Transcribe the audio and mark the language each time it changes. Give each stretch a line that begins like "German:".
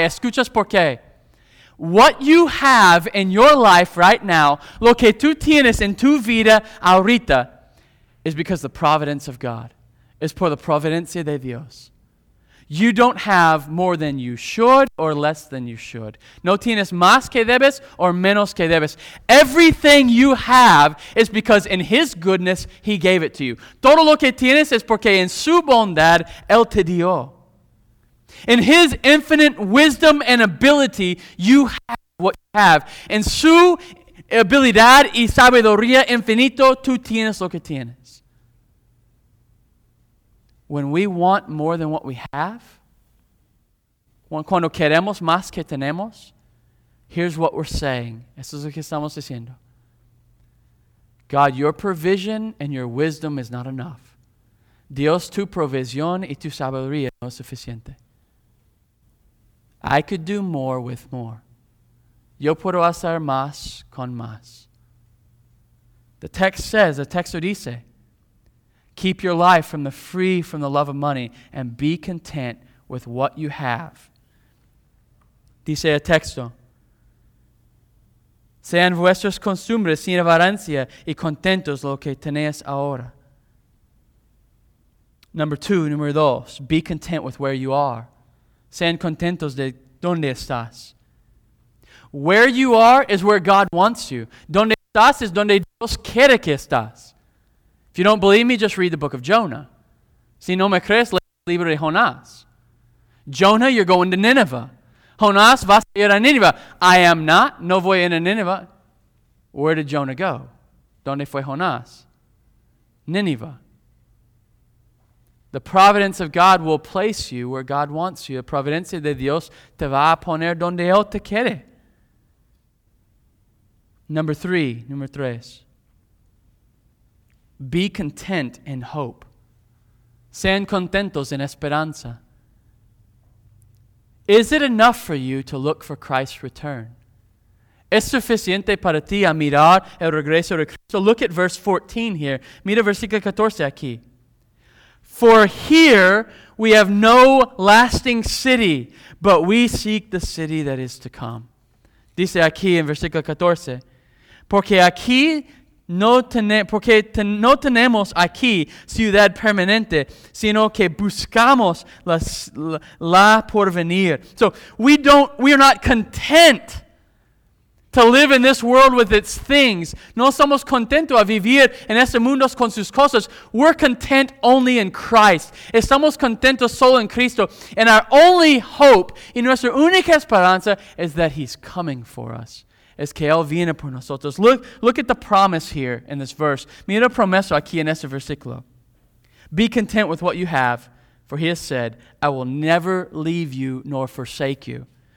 Spanish: Escuchas por qué.
English: What you have in your life right now,
Spanish: lo que tú tienes en tu vida ahorita,
English: is because the providence of God.
Spanish: Es por la providencia de Dios.
English: You don't have more than you should or less than you should.
Spanish: No tienes más que debes or menos que debes.
English: Everything you have is because in His goodness He gave it to you.
Spanish: Todo lo que tienes es porque en su bondad Él te dio.
English: In His infinite wisdom and ability, you have what you have.
Spanish: En su habilidad y sabiduría infinito, tú tienes lo que tienes.
English: When we want more than what we have,
Spanish: cuando queremos más que tenemos,
English: here's what we're saying.
Spanish: Esto es lo que estamos diciendo.
English: God, your provision and your wisdom is not enough.
Spanish: Dios, tu provisión y tu sabiduría no es suficiente.
English: I could do more with more.
Spanish: Yo puedo hacer más con más.
English: The text says, the
Spanish: texto dice,
English: keep your life from the free from the love of money and be content with what you have.
Spanish: Dice el texto. Sean vuestras costumbres sin avarancia y contentos lo que tenéis ahora.
English: Number two,
Spanish: número dos,
English: be content with where you are.
Spanish: Sean contentos de donde estás.
English: Where you are is where God wants you.
Spanish: Donde estás es donde Dios quiere que estás.
English: If you don't believe me, just read the book of Jonah.
Spanish: Si no me crees, lee el libro de Jonás.
English: Jonah, you're going to Nineveh.
Spanish: Jonás, vas a ir a Nineveh.
English: I am not.
Spanish: No voy a Nineveh.
English: Where did Jonah go?
Spanish: ¿Dónde fue Jonás? Nineveh.
English: The providence of God will place you where God wants you.
Spanish: La providencia de Dios te va a poner donde Él te quiere.
English: Number three. Be content in hope.
Spanish: Sean contentos en esperanza.
English: Is it enough for you to look for Christ's return?
Spanish: ¿Es suficiente para ti a mirar el regreso de Cristo?
English: Look at verse 14 here.
Spanish: Mira versículo 14 aquí.
English: For here we have no lasting city, but we seek the city that is to come.
Spanish: Dice aquí en versículo 14. Porque aquí no tenemos aquí ciudad permanente, sino que buscamos la porvenir.
English: So we are not content to live in this world with its things.
Spanish: No somos contentos a vivir en este mundo con sus cosas.
English: We're content only in Christ.
Spanish: Estamos contentos solo en Cristo.
English: And our only hope
Spanish: y nuestra única esperanza
English: is that He's coming for us.
Spanish: Es que Él viene por nosotros.
English: Look at the promise here in this verse.
Spanish: Mira promesa aquí en este versículo.
English: Be content with what you have, for He has said, I will never leave you nor forsake you.